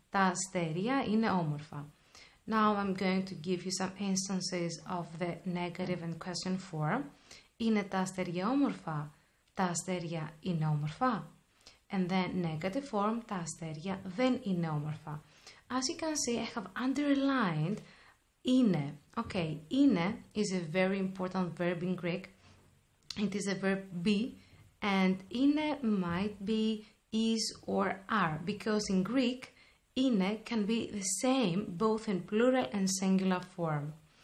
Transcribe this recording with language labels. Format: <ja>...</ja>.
<el>Τα αστέρια είναι όμορφα.</el> <en>Now I'm going to give you some instances of the negative and question form.</en> <el>Είναι τα αστέρια όμορφα. Τα αστέρια είναι όμορφα.</el> <en>And then negative form,</en> <el>τα αστέρια δεν είναι όμορφα.</el> <en>As you can see, I have underlined είναι. Okay, είναι is a very important verb in Greek. It is a verb be, and είναι might be is or are, because in Greek, είναι can be the same both in plural and singular form.</en>